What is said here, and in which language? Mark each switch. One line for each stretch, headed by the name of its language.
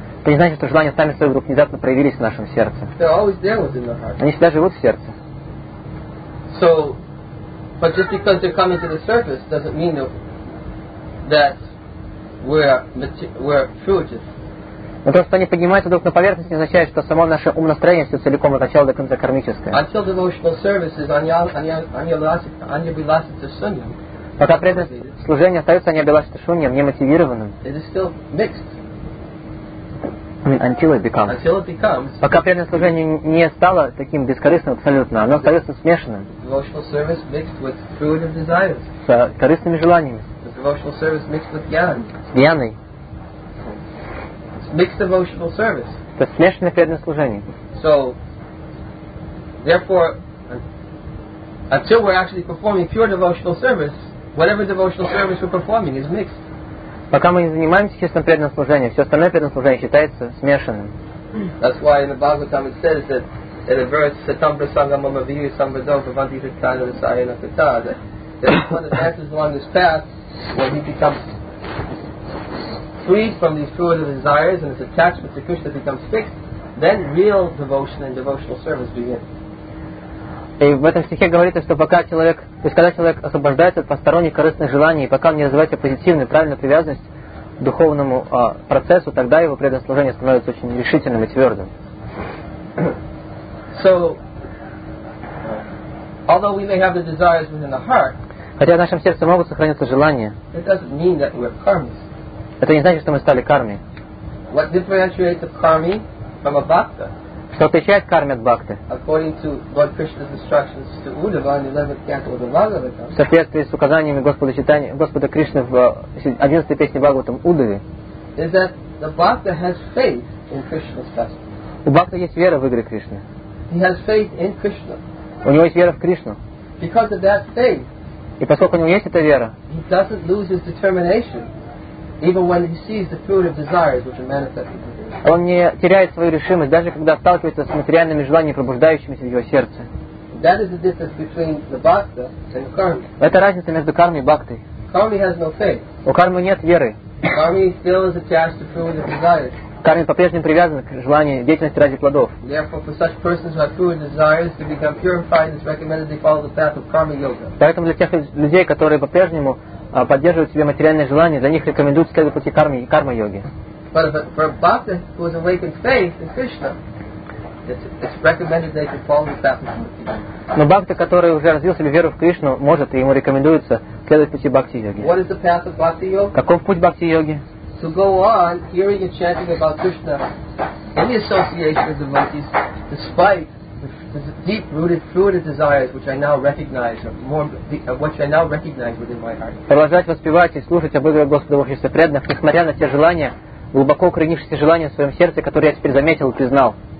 Russian: То не значит, что желания сами собой вдруг внезапно проявились в нашем сердце.
English: They're always there within the heart.
Russian: Они всегда живут в сердце.
English: So, but just because they're coming to the surface doesn't mean that we're fruitive.
Russian: Но то, что они поднимаются вдруг на поверхность, не означает, что само наше умонастроение все целиком от начала до конца кармическое.
English: Until devotional service is anyabhilasita sunyam.
Russian: Пока преданное служение остается анибиласита шуньям, немотивированным.
English: It is still mixed. I mean, until it becomes.
Russian: Пока преданное служение не стало таким бескорыстным абсолютно, оно остается смешанным.
English: Devotional service mixed with fruit of desires.
Russian: С корыстными желаниями.
English: Devotional service mixed with gyan.
Russian: С гьяной.
English: It's mixed devotional service.
Russian: Это смешанное преданное служение.
English: So, therefore, until we're actually performing pure devotional service, whatever devotional service we're performing is mixed.
Russian: Пока мы не занимаемся честным преданным служением, все остальное преданное служение считается смешанным.
English: That's why in the Bhagavatam it says that in the verse
Sanskrit: Satam Prasangam Amaviyu Sambhadam Pravanti Sattana Sayana Pitta,
English: that if one advances along this path, when he becomes freed from these fruit of desires and his attachment to Krishna becomes fixed, then real devotion and devotional service begin.
Russian: И в этом стихе говорится, что пока человек, то есть когда человек освобождается от посторонних корыстных желаний, и пока он не развивается позитивную, правильную привязанность к духовному процессу, тогда его преданное служение становится очень решительным и твердым.
English: So, although we may have the desires within the heart,
Russian: хотя в нашем сердце могут сохраниться желания,
English: it doesn't mean that we're karmis.
Russian: Это не значит, что мы стали карми.
English: What differentiates a karmi from a bhakta?
Russian: Что отличает карми от бхакты?
English: According to Lord Krishna's instructions to Uddhava in the 11th canto of the Bhagavatam.
Russian: В соответствии с указаниями Господа Кришны в 11-й песне Бхагаватам Уддаве.
English: Is that the bhakta has faith in Krishna's testimony.
Russian: У бхакты есть вера в игры Кришны.
English: He has faith in Krishna.
Russian: У него есть вера в Кришну.
English: Because of that faith.
Russian: И поскольку у него есть эта вера.
English: He doesn't lose his determination, even when he sees the fruit of desires which are manifested.
Russian: Он не теряет свою решимость, даже когда сталкивается с материальными желаниями, пробуждающимися в его сердце.
English: That is the difference between the bhakta and karmi.
Russian: Это разница между кармой и бхактой.
English: Karmi has no faith.
Russian: У кармы нет веры.
English: Karmi still is attached to fruit of desires.
Russian: Карми по-прежнему привязан к желанию деятельности ради плодов.
English: Therefore, for such persons who have fruit of desires to become purified, it's recommended they follow the path of karma yoga.
Russian: Поэтому для тех людей, которые по-прежнему поддерживают себе материальные желания, для них рекомендуют следовать пути карми и карма йоги.
English: But for a bhakta who has awakened faith in Krishna, it's recommended they can follow the path of bhakti.
Russian: Но бхакта, который уже развил себе веру в Кришну, может и ему рекомендуется следовать пути бхакти йоги.
English: What is the path of bhakti yoga?
Russian: Каков путь бхакти йоги?
English: To go on hearing and chanting about Krishna in the association of devotees, despite the deep-rooted fruit of desires which I now recognize, within my heart.
Russian: Продолжать воспевать и слушать об игре Господа в обществе преданных, несмотря на те желания. Глубоко укоренившиеся желания в своем сердце, которые я теперь заметил и признал.